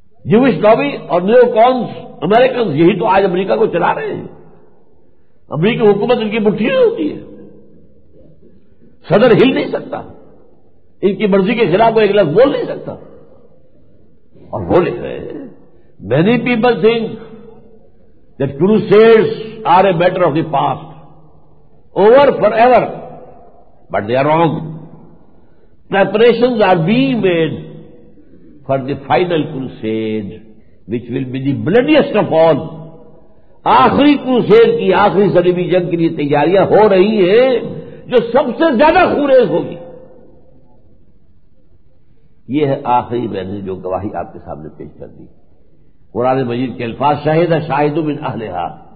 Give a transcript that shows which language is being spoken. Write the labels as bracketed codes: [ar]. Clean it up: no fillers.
[ur] Jewish lobby اور new کونس American یہی تو آج امریکہ کو چلا رہے ہیں، امریکی حکومت ان کی مٹھی ہوتی ہے، صدر ہل نہیں سکتا، ان کی مرضی کے خلاف وہ ایک لفظ بول نہیں سکتا، اور وہ لکھ رہے ہیں. [en] Many people think that crusades are a matter of the past, over forever, but they are wrong. Preparations are being made for the final crusade, which will be the bloodiest of all. [ur] آخری crusade کی، آخری صلیبی جنگ کے لیے تیاریاں ہو رہی ہیں جو سب سے زیادہ خونریز ہوگی. یہ ہے آخری میں نے جو گواہی آپ کے سامنے پیش کر دی، قرآن مجید کے الفاظ، شاہد شاہد من اہلہا.